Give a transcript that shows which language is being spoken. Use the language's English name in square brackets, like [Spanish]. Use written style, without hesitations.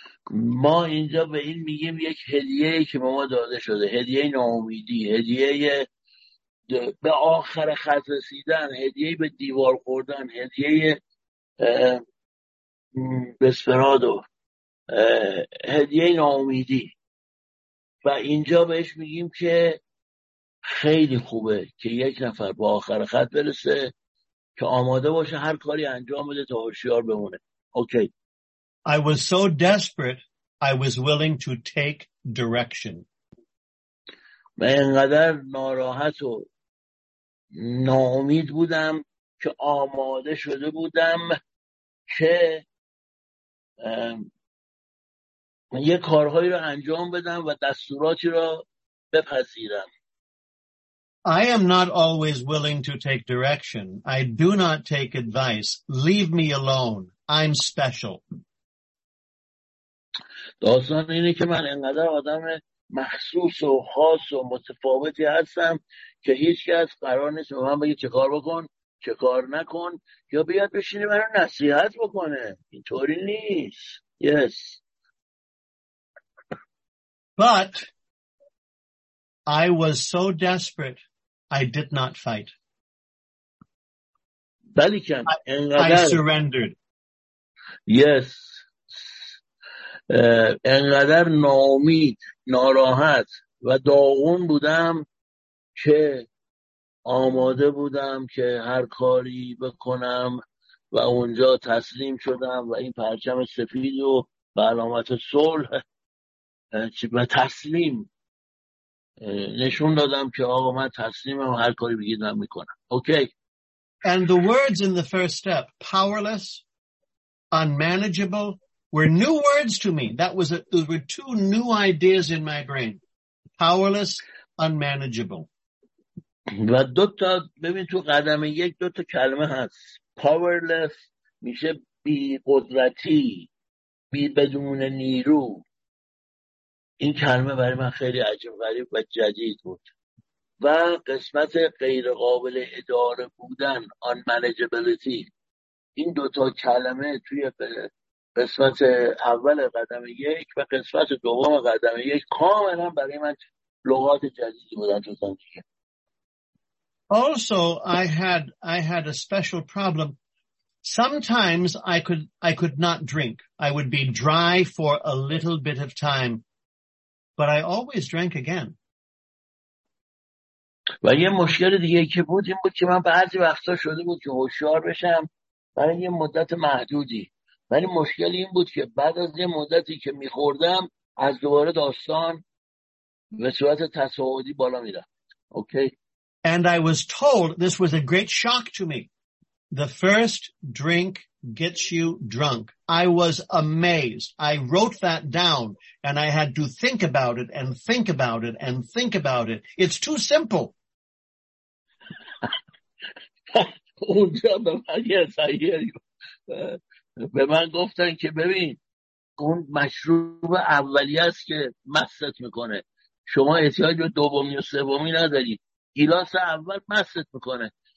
[Persian] ما اینجا به این میگیم یک هدیه که به ما داده شده. هدیه ناامیدی. هدیه به آخر خط رسیدن. هدیه به دیوار خوردن. هدیه بسپرادو. هدیه ناامیدی. و اینجا بهش میگیم که خیلی خوبه که یک نفر با آخر خط برسه که آماده باشه هر کاری انجام بده تا هوشیار بمونه. اوکی. [English] I was so desperate, I was willing to take direction. [Persian] من اینقدر ناراحت و ناامید بودم که آماده شده بودم که یه کارهایی رو انجام بدم و دستوراتی رو بپذیرم. [English] I am not always willing to take direction. I do not take advice. Leave me alone. I'm special. [Persian] داستان اینه که من انقدر آدم مخصوص و خاص و متفاوتی هستم که هیچ کس قرار نیست به من بگه چه کار بکن، چه کار نکن یا بیاد بشینه منو نصیحت بکنه. اینطوری نیست. [English] Yes. But I was so desperate, I did not fight. [Persian] بلکه انقدر [English] I surrendered. Yes. [Persian] انقدر ناامید، ناراحت و داغون بودم که آماده بودم که هر کاری بکنم و اونجا تسلیم شدم و این پرچم سفید و علامت صلح و تسلیم نشون دادم که آقا من تسلیمم، هر کاری بگیدم میکنم. اوکی. [English] And the words in the first step, powerless, unmanageable, were new words to me. That was a, those were two new ideas in my brain. Powerless, unmanageable. [Persian] و دوتا ببین تو قدم یک دوتا کلمه هست. Powerless میشه بی قدرتی، بی بدون نیرو. این کلمه برای من خیلی عجیب غریب و جدید بود. و قسمت غیر قابل اداره بودن، unmanageability. این دوتا کلمه توی قسمت اول قدم یک و قسمت دوم قدم یک کاملا برای من لغات جدیدی بودن تو زندگی. [English] Also, I had a special problem. Sometimes I could not drink. I would be dry for a little bit of time. But I always drank again. [Persian] و یه مشکل دیگه که بود این بود که من بعضی وقتا شده بود که هوشیار بشم برای یه مدت محدودی. ولی مشکل این بود که بعد از یه مدتی که میخوردم از دوباره داستان به صورت تصاعدی بالا میره. اوکی. [English] And I was told this was a great shock to me. The first drink gets you drunk. I was amazed. I wrote that down and I had to think about it and think about it and think about it. It's too simple. [Persian] اونجا به من به من گفتن که ببین اون مشروب اولیه است که مستت میکنه. شما احتیاج به دومی و سومی نداری. گلاس اول مستت میکنه.